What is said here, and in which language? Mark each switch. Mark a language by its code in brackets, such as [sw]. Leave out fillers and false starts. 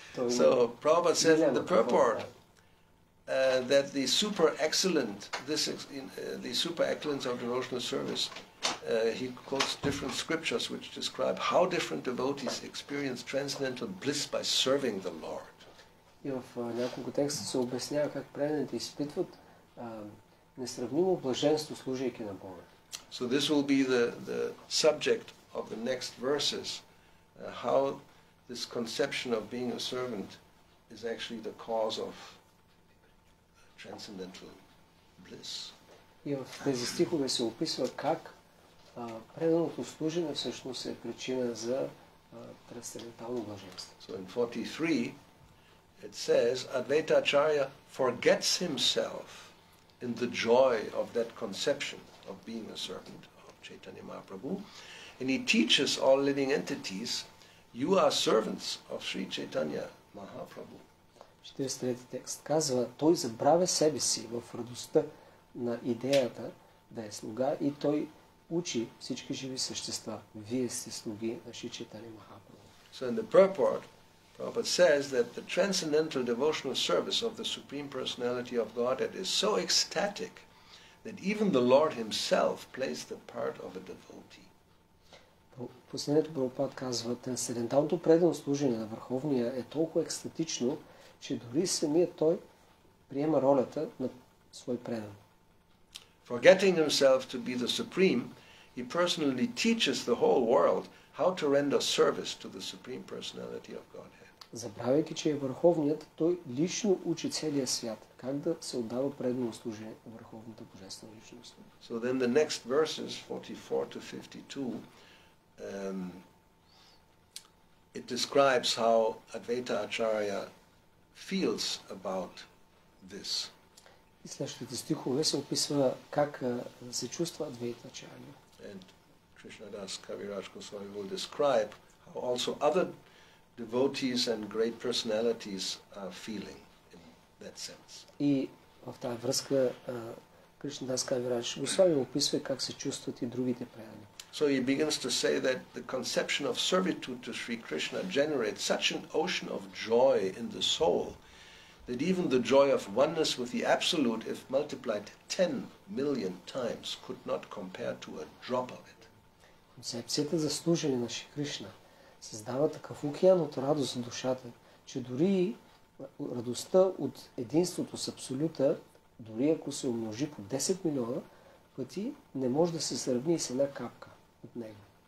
[en] So Prabhupada says in the purport that the super excellent the super excellence of devotional service. He quotes different scriptures which describe how different devotees experience transcendental bliss by serving the Lord. [bg] И в няколко текста се обяснява как преданите изпитват несравнимо блаженство служейки на Бога. [en] So this will be the subject of the next verses, how this conception of being a servant is actually the cause of transcendental bliss. [bg] И в тези стихове се описва как преданото служене всъщност е причина за трансцендентално блаженство. [en] So in 43 it says Advaita Acharya forgets himself in the joy of that conception of being a servant of Chaitanya Mahaprabhu, and he teaches all living entities, you are servants of Sri Chaitanya Mahaprabhu. [bg] 43 текст казва, той забравя себе си в радостта на идеята да е слуга и той учи всички живи същества. Вие сте слуги на Шри Чайтанья Махапрабху. [en] So in the purport, Prabhupada says that the transcendental devotional service of the Supreme Personality of Godhead is so ecstatic that even the Lord himself plays the part of a devotee. [bg] Последното Прабхупад казва, трансценденталното предано служение на Върховния е толкова екстатично, че дори самият той приема ролята на свой предан. [en] Forgetting himself to be the Supreme, he personally teaches the whole world how to render service to the Supreme Personality of Godhead. [bg] Забравяйки, че е Върховният, той лично учи целия свят как да се отдава предано служение на Върховната Божествена Личност. [en] So then the next verses, 44 to 52, it describes how Advaita Acharya feels about this. [bg] И следващите стихове се описва как се чувства Адвайта Ачарья. [en] And Krishna Das Kaviraj Goswami will describe how also other devotees and great personalities are feeling in that sense. [bg] И в тази връзка Krishna Das Kaviraj Goswami описва как се чувстват и другите предани. [en] So he begins to say that the conception of servitude to Sri Krishna generates such an ocean of joy in the soul that even the joy of oneness with the Absolute, if multiplied 10 million times, could not compare to a drop of it. [bg] Концепцията за служение на Шри Кришна създава такъв океан от радост на душата, че дори радостта от единството с Абсолюта, дори ако се умножи по 10 милиона пъти, не може да се сравни с една капка от него.